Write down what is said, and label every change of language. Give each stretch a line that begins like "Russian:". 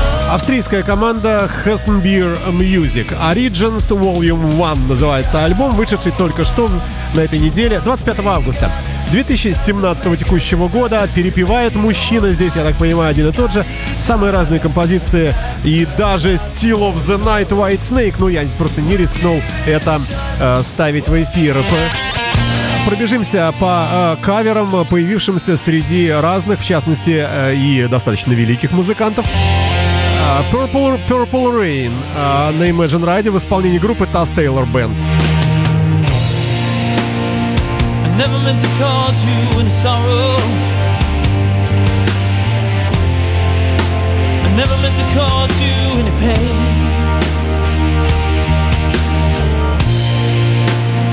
Russian: Австрийская команда Hasnbear Music. Origins Volume 1 называется альбом, вышедший только что на этой неделе, 25 августа 2017 текущего года. Перепевает мужчина здесь, я так понимаю, один и тот же. Самые разные композиции и даже Still of the Night White Snake. Ну, я просто не рискнул это ставить в эфир. Пробежимся по каверам, появившимся среди разных, в частности, и достаточно великих музыкантов. Purple Rain на Imagine Radio в исполнении группы Tas Taylor Band.
English: I never meant to cause you any sorrow. I never meant to cause you any pain.